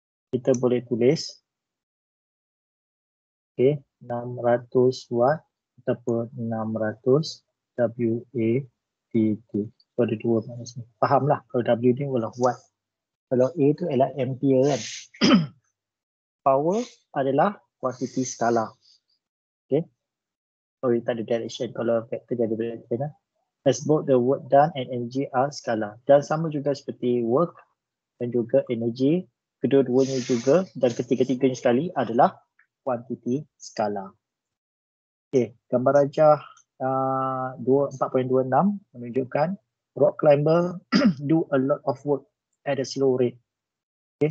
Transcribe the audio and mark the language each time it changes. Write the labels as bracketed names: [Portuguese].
[Malay] Kita boleh tulis okay, 600 watt ataupun 600 W-A-T-T. So ada dua maknanya sini. Faham lah kalau W ni adalah watt. Kalau A tu ialah ampere kan. Power adalah kuantiti skala. Okay. Oh, tak ada direction. Kalau vector jadi direction lah. [English] As both the work done and energy are skala. [Malay] Dan sama juga seperti work dan juga energy. Kedua-duanya juga dan ketiga-tiganya sekali adalah kuantiti skala. Okay. Gambar rajah 4.26 menunjukkan [English] rock climber do a lot of work at a slow rate. [Malay] Okay.